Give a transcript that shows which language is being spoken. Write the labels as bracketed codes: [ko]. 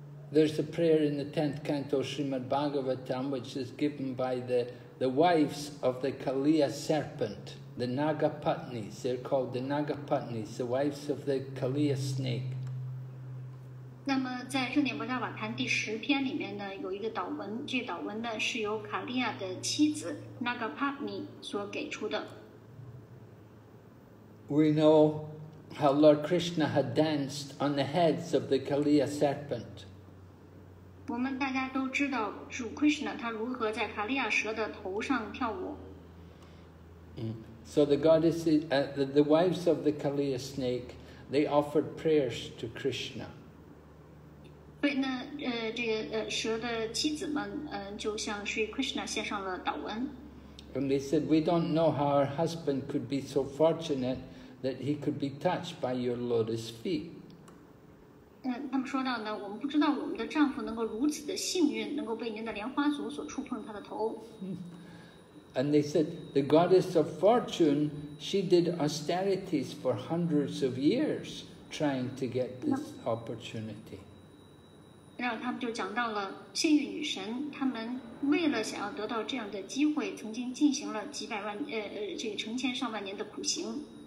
[en] There's a prayer in the 10th canto of Srimad Bhagavatam which is given by the wives of the Kaliya serpent, the Nagapatnis. They're called the Nagapatnis, the wives of the Kaliya snake. [zh] 那么在圣典波迦瓦坛第十篇里面呢，有一个祷文，这祷文呢是由卡利亚的妻子 Nagapatni 所给出的。 [en] We know how Lord Krishna had danced on the heads of the Kaliya serpent. [zh] 我们大家都知道主 Krishna 他如何在卡利亚蛇的头上跳舞。 [en] So the goddess, the wives of the Kaliya snake, they offered prayers to Krishna. [zh] 所以呢，这个蛇的妻子们，就向 Sri Krishna 献上了祷文。 [en] And they said, "We don't know how our husband could be so fortunate that he could be touched by your lotus feet." [zh] 他们说到呢，我们不知道我们的丈夫能够如此的幸运，能够被您的莲花足所触碰他的头。 [en] And they said the goddess of fortune, she did austerities for hundreds of years trying to get this opportunity. [zh] 然后他们就讲到了幸运女神，他们为了想要得到这样的机会，曾经进行了几百万这个成千上万年的苦行。